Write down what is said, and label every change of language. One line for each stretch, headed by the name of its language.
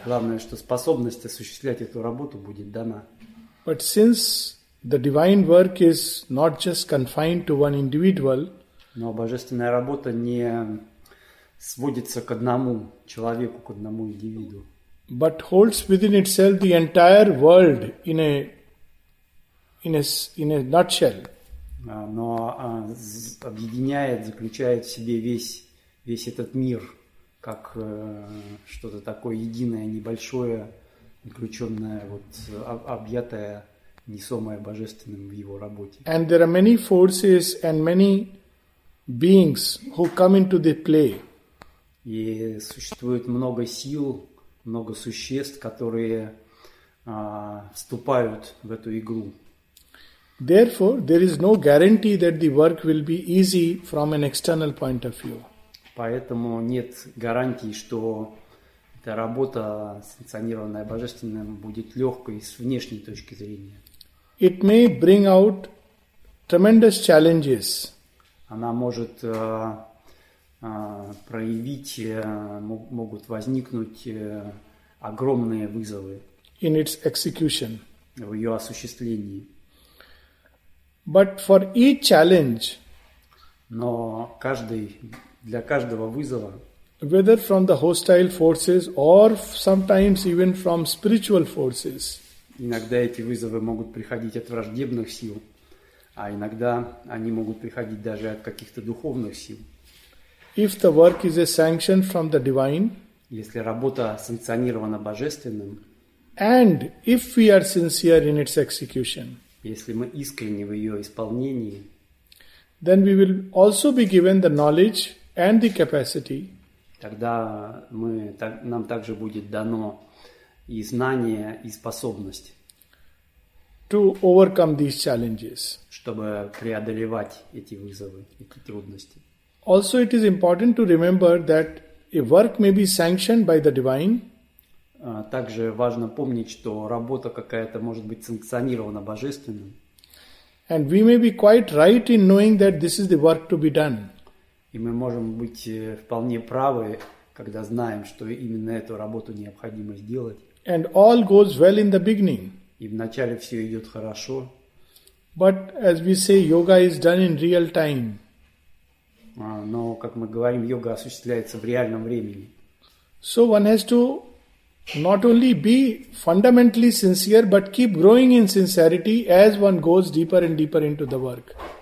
Russian: Главное, что способность осуществлять эту работу будет дана.
English: But since the divine work is not just confined to one individual,
Russian: но божественная работа не сводится к одному человеку, к одному индивиду,
English: but holds within itself the entire world in a nutshell.
Russian: Но объединяет, заключает в себе весь этот мир, как что-то такое единое, небольшое, заключенное, вот, объятое, несомое божественным в его работе.
English: And there are many forces and many beings who come into the play.
Russian: И существует много сил, много существ, которые вступают в эту игру.
English: Therefore, there is no guarantee that the work will be easy from an external point of view.
Russian: Поэтому нет гарантии, что эта работа, санкционированная божественным, будет легкой с внешней точки зрения.
English: It may bring out tremendous challenges.
Russian: Она может проявить, могут возникнуть огромные вызовы.
English: In its execution.
Russian: В ее осуществлении.
English: But for each challenge,
Russian: но каждый, для каждого вызова,
English: whether from the hostile forces or sometimes even from spiritual forces,
Russian: иногда эти вызовы могут приходить от враждебных сил, а иногда они могут приходить даже от каких-то духовных сил.
English: If the work is a sanction from the divine,
Russian: если работа санкционирована божественным,
English: and if we are sincere in its execution,
Russian: если мы искренне в ее исполнении,
English: then we will also be given the knowledge and the capacity.
Russian: Тогда нам также будет дано и знание, и способность
English: to overcome these challenges,
Russian: чтобы преодолевать эти вызовы, эти трудности.
English: Also, it is important to remember that a work may be sanctioned by the divine.
Russian: Также важно помнить, что работа какая-то может быть санкционирована божественным.
English: And we may be quite right in knowing that this is the work to be done.
Russian: И мы можем быть вполне правы, когда знаем, что именно эту работу необходимо сделать.
English: And all goes well in the beginning.
Russian: И вначале все идет хорошо.
English: But as we say, yoga is done in real time.
Russian: Но, как мы говорим, йога осуществляется в реальном времени.
English: So one has to not only be fundamentally sincere, but keep growing in sincerity as one goes deeper and deeper into the work.